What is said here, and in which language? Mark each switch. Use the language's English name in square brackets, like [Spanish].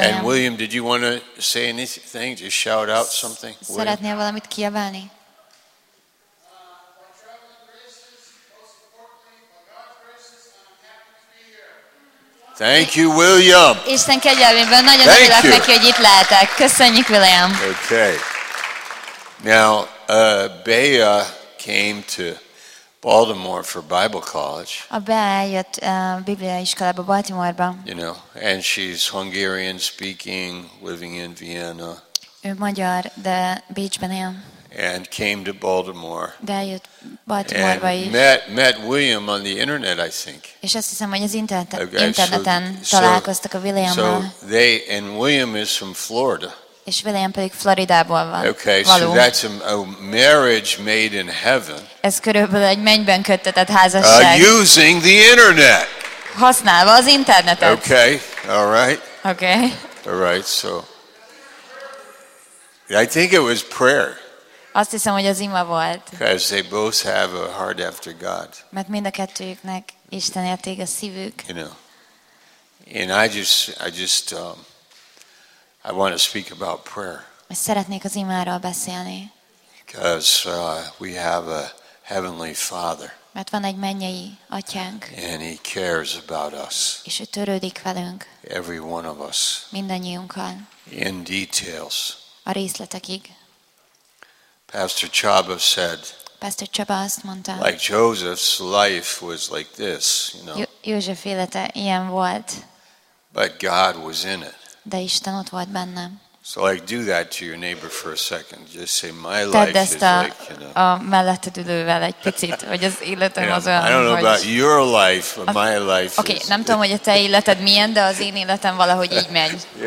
[English] And William, did you want to say anything? Just shout out something. [Hungarian] Szeretnél valamit kiabálni? [English] Thank you, William. [Hungarian] Isten kegyelmében nagyon örülök neki, hogy itt lehetek. Köszönjük, William. [English] Okay. Now, Bea came to Baltimore for Bible college. [Hungarian] A Bea jött Biblia iskolába Baltimore-ba. [English] You know, and she's Hungarian speaking, living in Vienna. [Hungarian] Ő magyar, de Bécsben él. [English] And came to Baltimore. [Hungarian] De jött Baltimore-ba is. [English] Met William on the internet, I think. [Hungarian] És azt hiszem, hogy az interneten találkoztak a Williammal. [English] And William is from Florida. [Hungarian] És William pedig Floridából van. [English] Okay, so that's a marriage made in heaven. [Hungarian] Ez körülbelül egy mennyben kötetett házasság. [English] Using the internet. [Hungarian] Használva az internetet. [English] Okay, all right. Okay. All right, so I think it was prayer. [Hungarian] Azt hiszem, hogy az ima volt. [English] Because they both have a heart after God. [Hungarian] Mert mind a kettőjüknek Isten érték a szívük. [English] You know, and I just I want to speak about prayer. [Hungarian] Szeretnék az imáról beszélni. [English] Because we have a heavenly Father. [Hungarian] Mert van egy mennyei atyánk. [English] And he cares about us. [Hungarian] És ő törődik velünk. [English] Every one of us. [Hungarian] Mindannyiunkkal. [English] In details. [Hungarian] A részletekig. [English] Pastor Csaba said. [Hungarian] Pastor Csaba azt mondta. [English] Like Joseph's life was like this, you know. [Hungarian] József élete ilyen volt. [English] But God was in it. [Hungarian] De Isten ott volt benne. [English] So like do that to your neighbor for a second. Just say my life is like, you know. [Hungarian] A melletted ülővel egy picit, hogy az életem az olyan. [English] I don't know about your life, but my life. [Hungarian] Okay, nem tudom, hogy a te életed milyen, de az én életem valahogy így megy.